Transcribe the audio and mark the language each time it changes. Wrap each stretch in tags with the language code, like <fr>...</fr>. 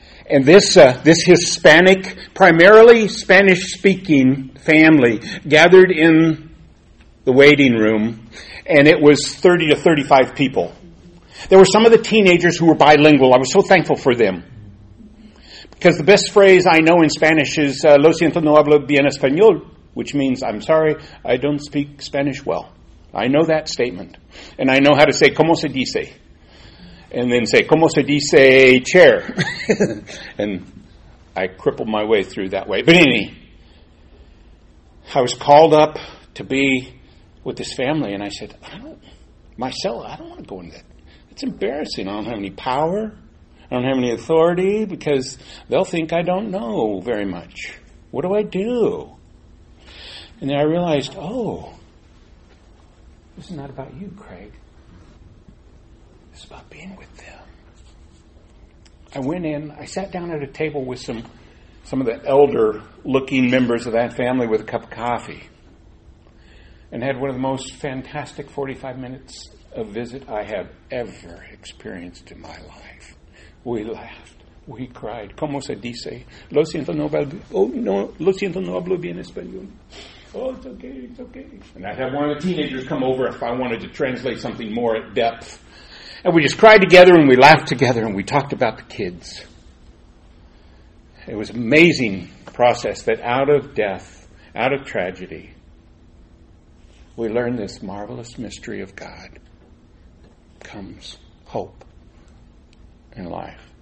<en>And this this Hispanic, primarily Spanish-speaking family gathered in the waiting room, and it was 30 to 35 people. There were some of the teenagers who were bilingual. I was so thankful for them. Because the best phrase I know in Spanish is Lo siento, no hablo bien español, which means, I'm sorry, I don't speak Spanish well. I know that statement. And I know how to say, ¿cómo se dice? And then say, ¿cómo se dice chair? And I crippled my way through that way. But anyway, I was called up to be with this family, and I said, I don't want to go in that. It's embarrassing. I don't have any power. I don't have any authority because they'll think I don't know very much. What do I do? And then I realized, oh, this is not about you, Craig. This is about being with them. I went in. I sat down at a table with some of the elder-looking members of that family with a cup of coffee and had one of the most fantastic 45 minutes of visit I have ever experienced in my life. We laughed. We cried. ¿Cómo se dice?</en> <es>Lo siento, no, lo siento, no hablo bien español.</es> <en>Oh, it's okay, it's okay. And I'd have one of the teenagers come over if I wanted to translate something more at depth. And we just cried together and we laughed together and we talked about the kids. It was an amazing process that out of death, out of tragedy, we learn this marvelous mystery of God comes hope in life.</en>